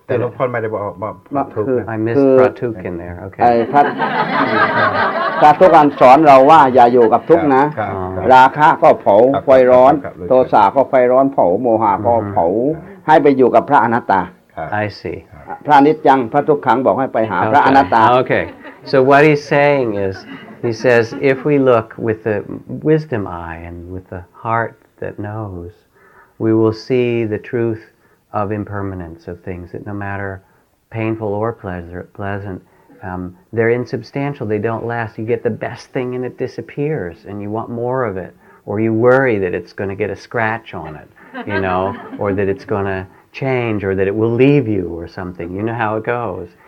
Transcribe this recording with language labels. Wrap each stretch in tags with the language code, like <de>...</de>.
<en>The Lord Paul might have said Pratuk. I missed Pratuk in there, okay. Pratuk has taught us that don't live with Tuk. Raka is a fire, Tosa is a fire, Moha is a fire.</en> <th>ให้ไปอยู่กับพระอนัตตา</th> <en>I see</en> <th>พระนิจจังพระทุกขังบอกให้ไปหาพระอนัตตา</th> <en>Okay so what he's saying is he says if we look with the wisdom eye and with the heart that knows we will see the truth of impermanence of things that no matter painful or pleasant they're insubstantial they don't last you get the best thing and it disappears and you want more of it or you worry that it's going to get a scratch on itYou know, or that it's going to change, or that it will leave you, or something. You know how it goes.</en>